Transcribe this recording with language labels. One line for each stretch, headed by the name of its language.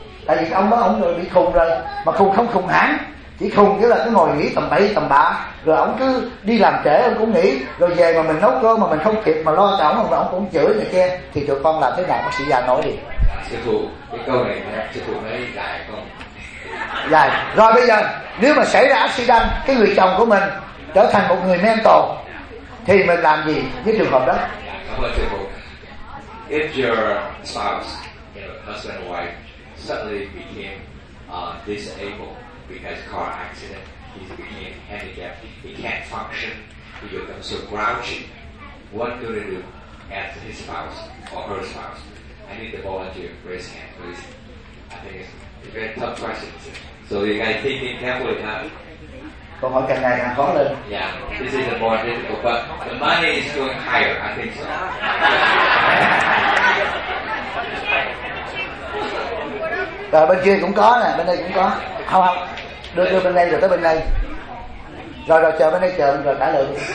Vietnamese: Tại vì ông đó ông người bị khùng rồi, mà khùng không khùng hẳn, chỉ khùng nghĩa là cứ ngồi nghỉ tầm bậy tầm bạ, rồi ông cứ đi làm trễ ông cũng nghỉ, rồi về mà mình nấu cơm mà mình không kịp mà lo cho ông, rồi ông cũng chửi này kia. Thì tụi con làm thế nào? Bác sĩ già nói đi. Sư phụ, cái câu này sư phụ nói dài con dài. Rồi bây giờ nếu mà xảy ra accident, cái người chồng của mình trở thành một người mental, thì mình làm gì với trường hợp đó? Cảm ơn sư phụ.
English: If your spouse, husband or wife suddenly became disabled because car accident, he became handicapped, he can't function, he becomes so grouchy, what do they do as his spouse or her spouse? I need the volunteer, raise hand please. I think it's a very tough question, so you guys think it carefully now.
Vietnamese: Còn hỏi càng ngày càng khó lên.
English: Yeah, this is a more difficult, but the money is going higher, I think so.
Vietnamese: Rồi bên kia cũng có nè, bên đây cũng có. Không không, đưa bên đây rồi tới bên đây. Rồi rồi chờ bên đây chờ rồi trả lời.